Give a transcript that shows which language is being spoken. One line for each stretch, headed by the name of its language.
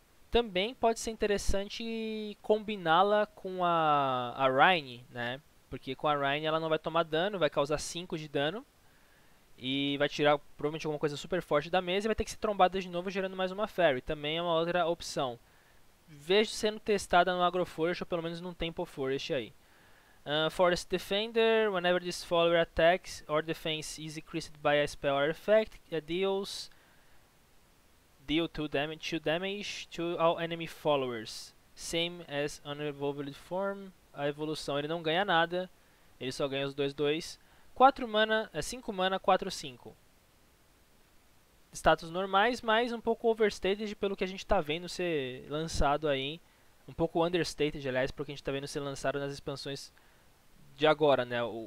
Portuguese: Também pode ser interessante combiná-la com a Rhyne, né? Porque com a Rhyne ela não vai tomar dano, vai causar 5 de dano. E vai tirar provavelmente alguma coisa super forte da mesa e vai ter que ser trombada de novo, gerando mais uma Fairy. Também é uma outra opção. Vejo sendo testada no Aggro Forest ou pelo menos num Temple Forest aí.
English: Forest Defender, whenever this follower attacks or defense is increased by a spell or effect, it deals. Deal 2 damage to all enemy followers. Same as unevolved form.
Portuguese: A evolução ele não ganha nada. Ele só ganha os 2/2. 4 mana, 5 mana, 4/5. status normais, mas um pouco overstated pelo que a gente está vendo ser lançado aí. Um pouco understated, aliás, pelo que a gente está vendo ser lançado nas expansões de agora, né?